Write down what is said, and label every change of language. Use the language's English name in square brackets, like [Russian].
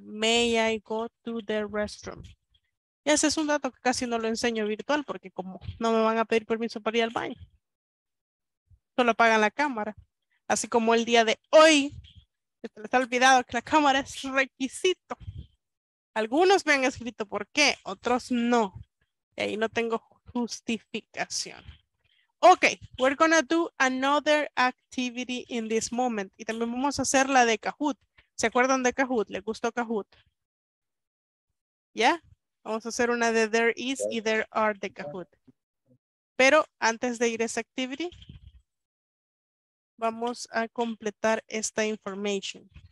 [English] May I go to the restroom? [Spanish] Y ese es un dato que casi no lo enseño virtual porque como no me van a pedir permiso para ir al baño. Solo apagan la cámara. Así como el día de hoy, se les ha olvidado que la cámara es requisito. Algunos me han escrito por qué, otros no. Y ahí no tengo justificación. [English] Ok, we're gonna do another activity in this moment. [Spanish] Y también vamos a hacer la de Kahoot. ¿Se acuerdan de Kahoot? ¿Le gustó Kahoot? ¿Ya? Vamos a hacer una de There Is y There Are de Kahoot. Pero antes de ir a esa activity, vamos a completar esta information.